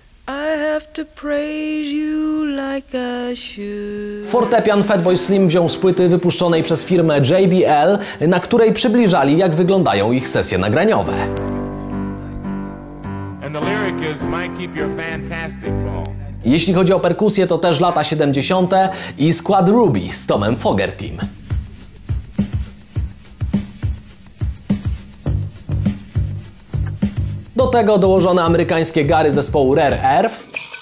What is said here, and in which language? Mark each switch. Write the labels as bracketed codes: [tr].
[en] I have to praise you like I should. [pl] Fortepian Fatboy Slim wziął z płyty wypuszczonej przez firmę JBL, na której przybliżali, jak wyglądają ich sesje nagraniowe. [en] And the lyric is, might keep your fantastic ball. [pl] Jeśli chodzi o perkusję, to też lata 70. i skład Ruby z Tomem Fogertym. Do tego dołożone amerykańskie gary zespołu Rare Earth.